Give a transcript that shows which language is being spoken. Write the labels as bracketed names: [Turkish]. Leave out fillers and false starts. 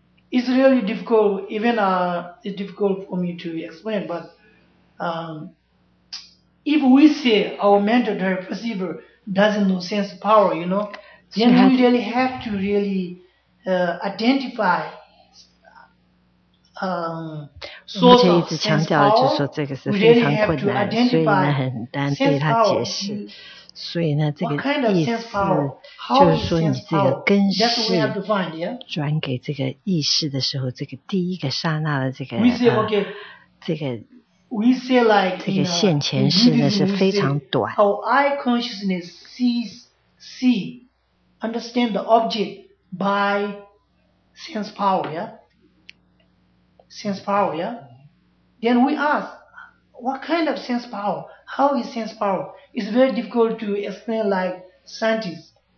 [English] it's really difficult even it's difficult for me to explain butIf we say our mental direct perceiver doesn't know sense power, you know, then we really have to really identify source of sense power. [Chinese] 一直强调就说这个是非常困难，所以呢很难对他解释。所以呢这个意思就是说你这个根识转给这个意识的时候，这个第一个刹那的这个这个。 [English] We say like, [Chinese] 这个现前式呢是非常短。 [English] How eye consciousness see, understand the object by sense power, yeah? Sense power, yeah? Then we ask, what kind of sense power? How is sense power? It's very difficult to explain like scientists.